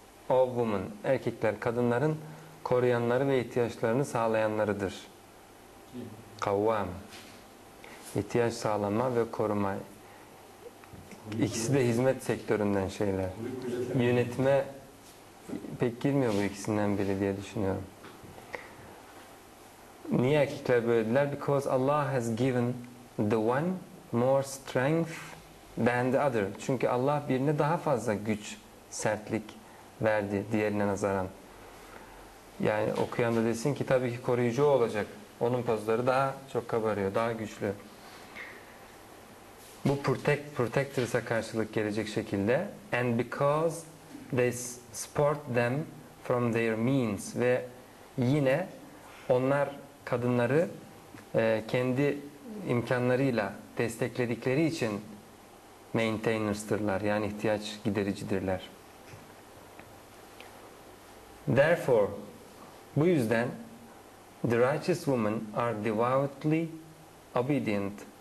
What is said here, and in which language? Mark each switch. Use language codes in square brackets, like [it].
[en] All women, [tr] erkekler, kadınların koruyanları ve ihtiyaçlarını sağlayanlarıdır. Kavvam, ihtiyaç sağlama ve koruma. İkisi de hizmet sektöründen şeyler. Yönetime pek girmiyor bu ikisinden biri diye düşünüyorum. Niye erkekler böyle dediler? [en] Because Allah has given the one more strength than the other. [tr] Çünkü Allah birine daha fazla güç, sertlik verdi diğerine nazaran. Yani okuyan da desin ki tabii ki koruyucu olacak. Onun pozları daha çok kabarıyor, daha güçlü. Bu protectors'a karşılık gelecek şekilde. [en] And because they support them from their means. [tr] Ve yine onlar kadınları kendi imkanlarıyla destekledikleri için maintainers'tırlar. Yani ihtiyaç gidericidirler. [en] Therefore, [tr] bu yüzden [en] the righteous women are devoutly obedient.